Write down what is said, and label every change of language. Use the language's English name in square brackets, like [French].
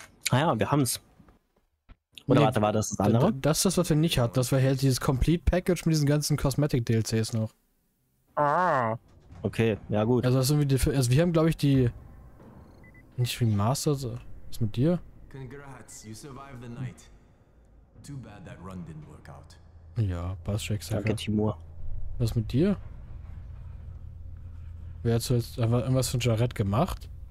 [German] Ah ja, wir haben es. Oder nee, warte, war das das andere? Das ist das, was wir nicht hatten. Das war halt dieses Complete Package mit diesen ganzen Cosmetic DLCs noch. Ah. Okay, ja gut. Also, das ist irgendwie die, also wir haben glaube ich die... Nicht wie Masters. Was ist mit dir? [English] Congrats, you survived the night. Too bad that run didn't work out. [German] Ja, passt schon. Danke, Timur. Was ist mit dir? Wer hat zuletzt irgendwas von Jared gemacht?